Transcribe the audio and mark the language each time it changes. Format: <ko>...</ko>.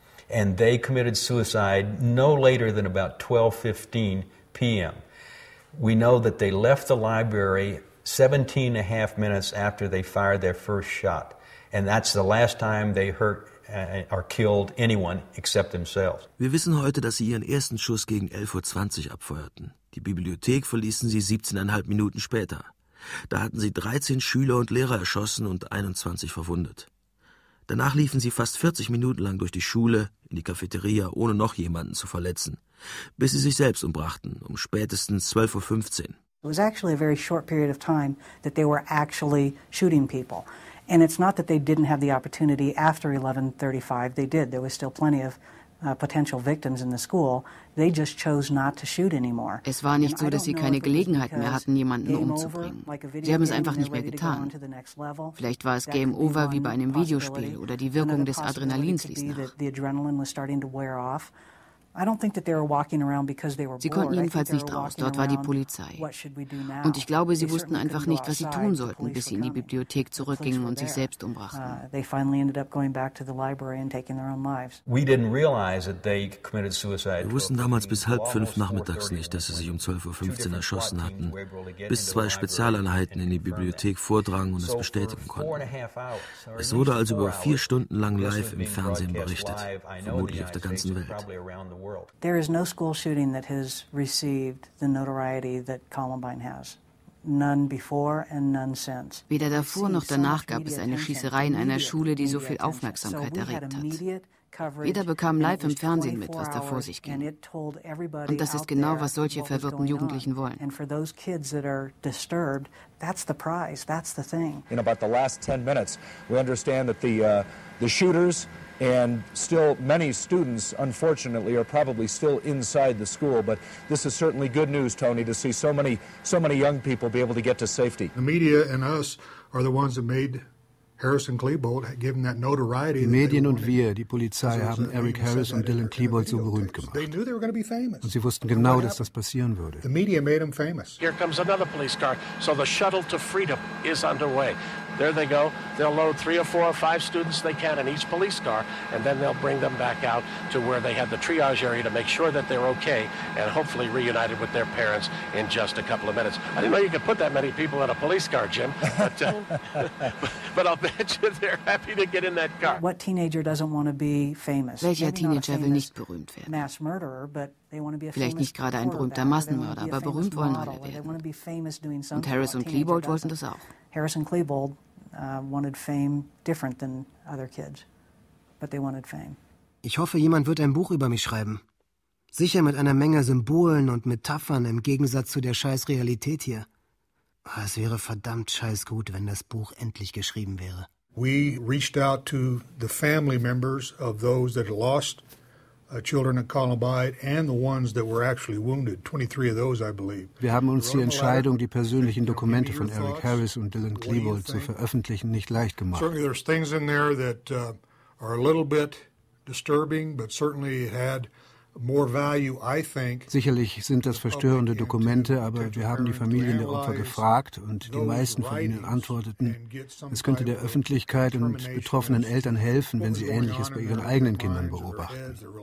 <en>and they committed suicide no later than about 12:15 p.m. We know that they left the library 17 and a half minutes after they fired their first shot. And that's the last time they hurt or killed anyone except themselves.</en> <de>Wir wissen heute, dass sie ihren ersten Schuss gegen 11.20 Uhr abfeuerten. Die Bibliothek verließen sie 17,5 Minuten später. Da hatten sie 13 Schüler und Lehrer erschossen und 21 verwundet. Danach liefen sie fast 40 Minuten lang durch die Schule, in die Cafeteria, ohne noch jemanden zu verletzen, bis sie sich selbst umbrachten, um spätestens 12.15 Uhr.</de> <en>It was actually a very short period of time that they were actually shooting people. And it's not that they didn't have the opportunity after 11:35, they did. There was still plenty of potential victims in the school. They just chose not to shoot anymore.</en> <de>Es war nicht so, dass sie keine Gelegenheit mehr hatten, jemanden umzubringen. Sie haben es einfach nicht mehr getan. Vielleicht war es Game Over wie bei einem Videospiel oder die Wirkung des Adrenalins ließ nach.</de> <en>The adrenaline was starting to wear off. I don't think that they were walking around because they were bored.</en> <de>Sie konnten jedenfalls nicht raus, dort war die Polizei. Und ich glaube, sie wussten einfach nicht, was sie tun sollten, bis sie in die Bibliothek zurückgingen und sich selbst umbrachten.</de> <en>They finally ended up going back to the library and taking their own lives. We didn't realize that they committed suicide.</en> <de>Wir wussten damals bis 4:30 nachmittags nicht, dass sie sich um 12:15 Uhr erschossen hatten, bis zwei Spezialeinheiten in die Bibliothek vordrangen und es bestätigen konnten. Es wurde also über 4 Stunden lang live im Fernsehen berichtet, vermutlich auf der ganzen Welt.</de> <en>There is no school shooting that has received the notoriety that Columbine has. None before and none since.</en> <de>Weder davor noch danach gab es eine Schießerei in einer Schule, die so viel Aufmerksamkeit erregt hat. Jeder bekam live im Fernsehen mit, was da vor sich ging. Und das ist genau, was solche verwirrten Jugendlichen wollen.</de> <en>And for those kids that are disturbed, that's the prize, that's the thing. In about the last 10 minutes, we understand that the shooters and still many students, unfortunately, are probably still inside the school. But this is certainly good news, Tony, to see so many young people be able to get to safety. The media and us are the ones that made Harris and Klebold, given that notoriety.</en> <de>Die Medien und wir, die Polizei, haben Eric Harris und Dylan Klebold so berühmt gemacht.</de> <en>They knew they were going to be famous.</en> <de>Und sie wussten genau, dass das passieren würde.</de> <en>The media made them famous. Here comes another police car. So the shuttle to freedom is underway. There they go. They'll load 3 or 4 or 5 students they can in each police car, and then they'll bring them back out to where they have the triage area to make sure that they're okay and hopefully reunited with their parents in just a couple of minutes. I didn't know you could put that many people in a police car, Jim, but I'll bet you they're happy to get in that car. What teenager doesn't want to be famous?</en> <de>Welcher Teenager will nicht berühmt werden?</de> <en>Mass murderer, but they want to be a</en> <de>vielleicht nicht gerade ein berühmter Massenmörder, aber berühmt wollen alle werden. Und Harris und Klebold wollten das auch.</de> <en>Harris and Klebold wanted fame different than other kids, but they wanted fame.</en> <de>Ich hoffe, jemand wird ein Buch über mich schreiben. Sicher mit einer Menge Symbolen und Metaphern im Gegensatz zu der scheiß Realität hier. Aber es wäre verdammt scheiß gut, wenn das Buch endlich geschrieben wäre.</de> <en>We reached out to the family members of those that lost children at Columbine and the ones that were actually wounded, 23 of those, I believe.</en> <de>Wir haben uns die Entscheidung, die persönlichen Dokumente von Eric Harris und Dylan Klebold zu veröffentlichen, nicht leicht gemacht.</de> <en>Certainly there's things in there that are a little bit disturbing, but certainly it had</en> <de>Sicherlich sind das verstörende Dokumente, aber wir haben die Familien der Opfer gefragt und die meisten von ihnen antworteten, es könnte der Öffentlichkeit und betroffenen Eltern helfen, wenn sie Ähnliches bei ihren eigenen Kindern beobachten.</de>